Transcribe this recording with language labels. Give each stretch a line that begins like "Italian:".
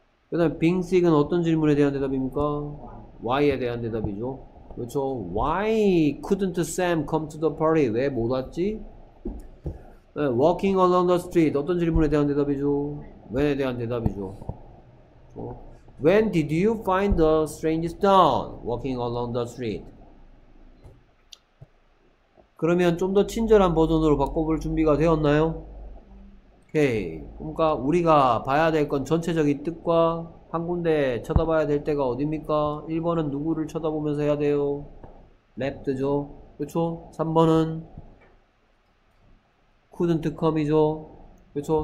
Korean: 그다음에 빙식은 어떤 질문에 대한 대답입니까? Why에 대한 대답이죠. 그렇죠.
English: Why couldn't Sam come to the party?
Korean: 왜못 왔지?
English: Walking along the street.
Korean: 어떤 질문에 대한 대답이죠. When에 대한 대답이죠. 그렇죠?
English: When did you find the strange stone? Walking along the street.
Korean: 그러면 좀더 친절한 버전으로 바꿔볼 준비가 되었나요? 오케이. 그러니까 우리가 봐야 될건 전체적인 뜻과 한 군데 쳐다봐야 될 때가 어딥니까? 1번은 누구를 쳐다보면서 해야 돼요? 랩드죠. 그렇죠? 3번은
English: couldn't come
Korean: 이죠. 그렇죠?